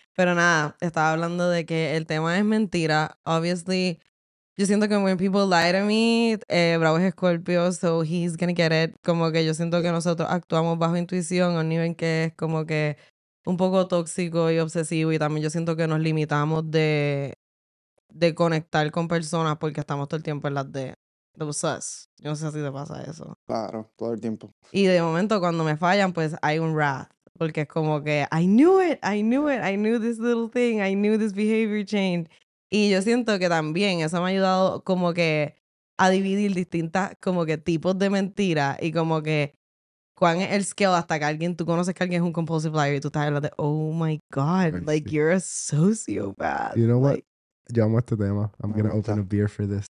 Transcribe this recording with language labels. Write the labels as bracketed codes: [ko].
[es] Pero nada, estaba hablando de que el tema es mentira. [en] Obviously, [es] yo siento que [en] when people lie to me, Bravo es Scorpio, so he's gonna get it. [es] Como que yo siento que nosotros actuamos bajo intuición a un nivel que es como que un poco tóxico y obsesivo. Y también yo siento que nos limitamos de conectar con personas porque estamos todo el tiempo en las de sus. Yo no sé si te pasa eso. Claro, todo el tiempo. Y de momento cuando me fallan, pues hay un wrath. Porque es como que, [en] I knew it, I knew it, I knew this little thing, I knew this behavior changed. [es] Y yo siento que también eso me ha ayudado como que a dividir distintas como que tipos de mentiras y como que cuán es el scale hasta que alguien, tú conoces que alguien es un compulsive liar y tú estás hablando de, [en] oh my God, I like see. You're a sociopath. You know, like, what? [es] Yo amo este tema. [en] I'm gonna open a beer for this.